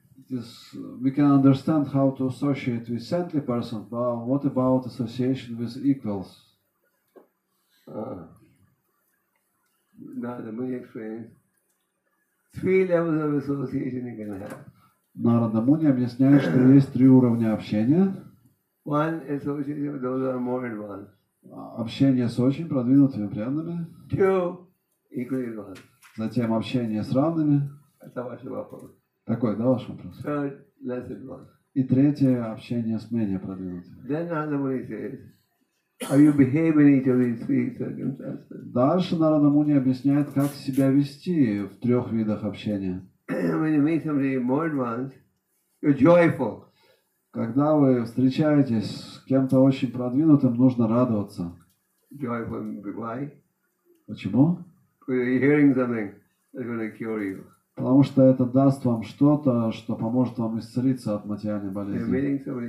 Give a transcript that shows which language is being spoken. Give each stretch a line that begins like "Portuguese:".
English: This, we can understand how to associate with saintly person, but what about association with equals? Narada Muni explains three levels of association you can have.
Russian: Narada Muni объясняет, что есть три уровня общения.
English: One is association with those who are more advanced.
Russian: Общение с очень продвинутыми преданными.
English: Two, equally advanced.
Russian: Затем общение с равными. Это ваш вопрос. Такой, да, ваш вопрос?
English: Third, less advanced.
Russian: И третье, общение с менее продвинутыми.
English: Then Narada Muni says, how you behave in each of these three circumstances.
Russian: Дальше Нарада Муни объясняет, как себя вести в трех видах общения.
English: When you meet somebody more advanced, you're joyful.
Russian: Когда вы встречаетесь с кем-то очень продвинутым, нужно радоваться.
English: Joyful. Why?
Russian: Почему?
English: Because you're hearing something that's going to cure you.
Russian: Потому что это даст вам что-то, что поможет вам исцелиться от материальной болезни.